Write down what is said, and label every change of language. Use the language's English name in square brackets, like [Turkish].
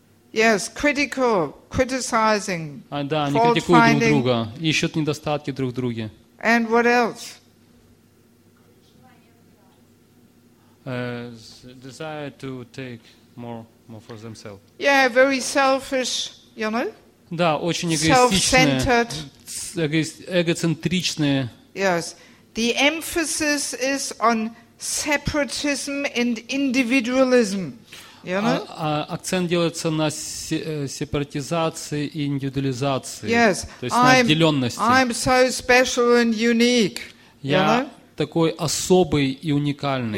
[English] Yes, critical, criticizing, [Russian] да, они критикуют друг друга, ищут недостатки друг в друге. [English] And what else? Desire to take more for themselves. Yeah, very selfish, you know? [Russian] Да, очень эгоистичные, эгоцентричные. [English] Yes, the emphasis is on separatism and individualism. You know? [Russian] Акцент делается на сепаратизации и индивидуализации, [English] yes. [Russian] То есть на отделенности. [English] I'm so special and unique. [Russian] Я такой особый и уникальный.